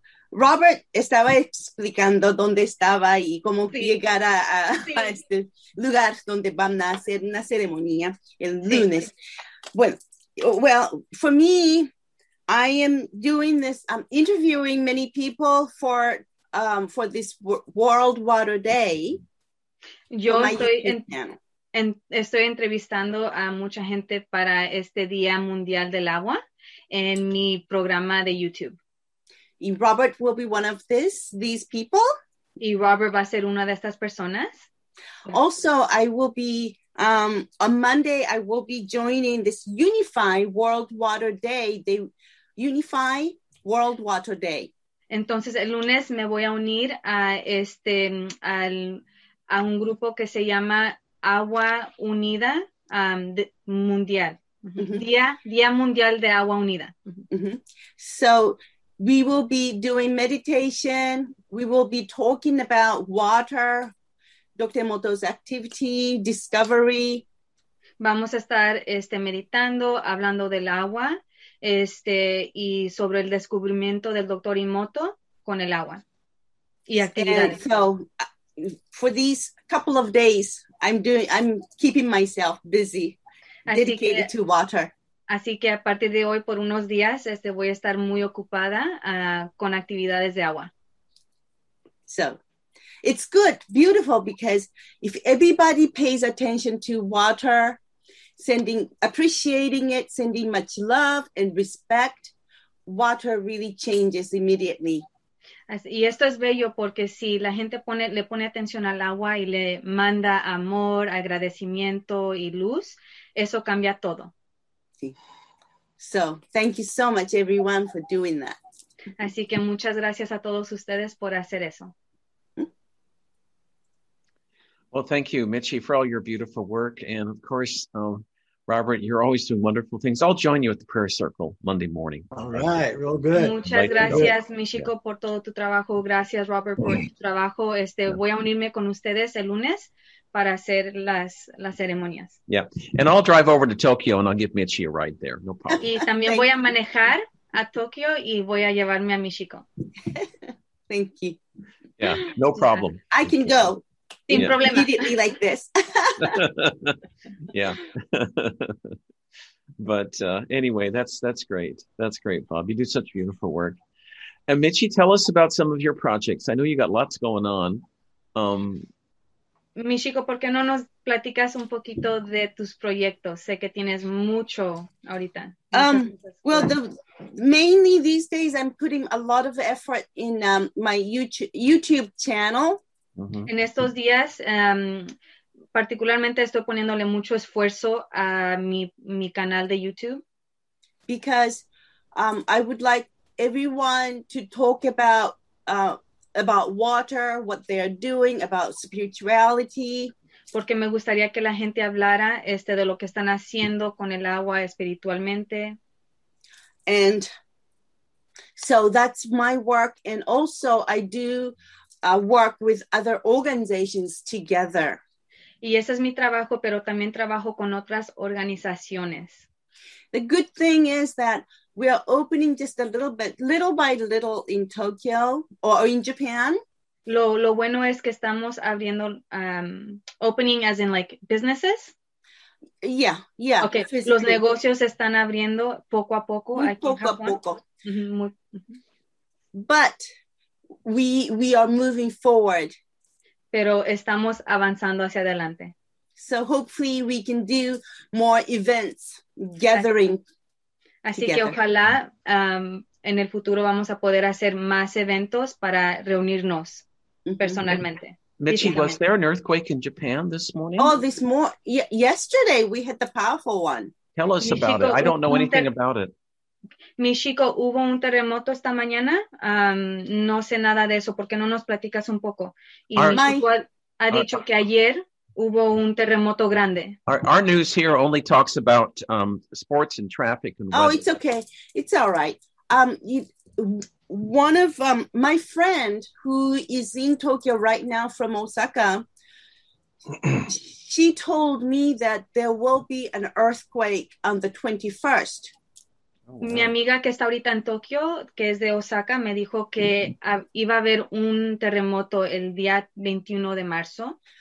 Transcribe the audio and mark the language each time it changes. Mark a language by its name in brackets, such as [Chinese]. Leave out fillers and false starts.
[Spanish] Robert estaba explicando dónde estaba y cómo llegar a este lugar donde van a hacer una ceremonia el lunes. Sí. [English] Well, for me, I am doing this, I'm interviewing many people for this World Water Day. [Spanish] Yo estoy entrevistando a mucha gente para este Día Mundial del Agua en mi programa de YouTube. [English] Y Robert will be one of these people. [Spanish] Y Robert va a ser una de estas personas. [English] Also, I will be, on Monday, I will be joining this Unify World Water Day. Unify World Water Day. [Spanish] Entonces, el lunes me voy a unir a un grupo que se llama Agua Unida Mundial. Mm-hmm. Día Mundial de Agua Unida. [English] Mm-hmm. So, we will be doing meditation. We will be talking about water, Dr. Moto's activity, discovery. [Spanish] Vamos a estar meditando, hablando del agua, y sobre el descubrimiento del Dr. Imoto con el agua y actividades. [English] And so for these couple of days, I'm keeping myself busy, dedicated to water. [Spanish] Así que a partir de hoy, por unos días, voy a estar muy ocupada con actividades de agua. [English] So, it's good, beautiful, because if everybody pays attention to water, appreciating it, sending much love and respect, water really changes immediately. [Spanish] Y esto es bello porque si la gente le pone atención al agua y le manda amor, agradecimiento y luz, eso cambia todo. [English] So, thank you so much, everyone, for doing that. [Spanish] Así que muchas gracias a todos ustedes por hacer eso. [English] Well, thank you, Michi, for all your beautiful work. And, of course, Robert, you're always doing wonderful things. I'll join you at the prayer circle Monday morning. All right, real good. [Spanish] Muchas gracias, Michiko, por todo tu trabajo. Gracias, Robert, por tu trabajo. Voy a unirme con ustedes el lunes para hacer las ceremonias. [English] Yeah, and I'll drive over to Tokyo and I'll give Michi a ride there. No problem. [Spanish] Y también voy a manejar a Tokio y voy a llevarme a México. [English] Thank you. Yeah, no problem. I can go. [Spanish] Sin problema. [English] Immediately like this. Yeah. But anyway, that's great. That's great, Bob. You do such beautiful work. And Michi, tell us about some of your projects. I know you got lots going on. [Spanish] Michiko, ¿por qué no nos platicas un poquito de tus proyectos? Sé que tienes mucho ahorita. [English] Well, mainly these days I'm putting a lot of effort in my YouTube channel. Uh-huh. [Spanish] En estos días, particularmente estoy poniéndole mucho esfuerzo a mi canal de YouTube. [English] Because I would like everyone to talk about water, what they are doing, about spirituality. [Spanish] Porque me gustaría que la gente hablara de lo que están haciendo con el agua espiritualmente. [English] And so that's my work. And also I do work with other organizations together. [Spanish] Y ese es mi trabajo, pero también trabajo con otras organizaciones. [English] The good thing is that we are opening just a little bit, little by little in Tokyo or in Japan. [Spanish] Lo bueno es que estamos abriendo, [English] opening as in like businesses? Yeah, yeah. Okay, physically. [Spanish] Los negocios están abriendo poco a poco. Muy aquí poco en Japón. A poco. Mm-hmm. [English] But we are moving forward. [Spanish] Pero estamos avanzando hacia adelante. [English] So hopefully we can do more events, gathering. [Spanish] Así [English] together. [Spanish] Que ojalá en el futuro vamos a poder hacer más eventos para reunirnos personalmente. [English] Michi, was there an earthquake in Japan this morning? Oh, this morning. Yesterday we had the powerful one. Tell us about it. I don't know anything about it. [Spanish] Michiko, ¿hubo un terremoto esta mañana? No sé nada de eso. ¿Por qué no nos platicas un poco? Y Michiko ha dicho que ayer hubo un terremoto grande. [English] Our news here only talks about sports and traffic and weather. Oh, it's okay. It's all right. One of my friend who is in Tokyo right now from Osaka, she told me that there will be an earthquake on the 21st. Oh, wow. [Spanish] Mi amiga que está ahorita en Tokio, que es de Osaka, me dijo que iba a haber un terremoto el día 21 de marzo.